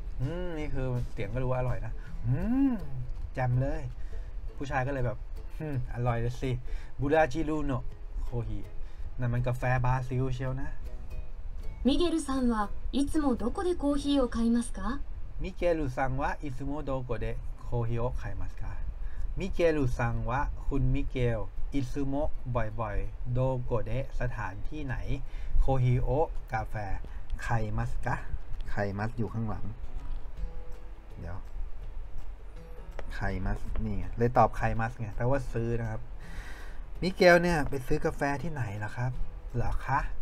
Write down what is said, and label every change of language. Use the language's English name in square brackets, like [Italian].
[Thai] นี่คือเสียงก็รู้ว่าอร่อยนะจำเลยผู้ชายก็เลยแบบอร่อยเลยสิบูดาจิลูโนโคฮีนั่นมันกาแฟบราซิลเชียวนะ [Japanese] มิเกลさんはいつもどこでコーヒーを買いますか มิเกลさんはいつもどこでコーヒーを買いますか [Thai] มิเกลさんはคุณมิเกลいつもบ่อยๆโดโกเดสถานที่ไหนโคฮีโอกาแฟไคมัสกะไคมัสอยู่ข้างหลังเดี๋ยวไคมัสนี่เลยตอบไคมัสไงแปลว่าซื้อนะครับมิเกลเนี่ยไปซื้อกาแฟที่ไหนล่ะครับเหรอคะ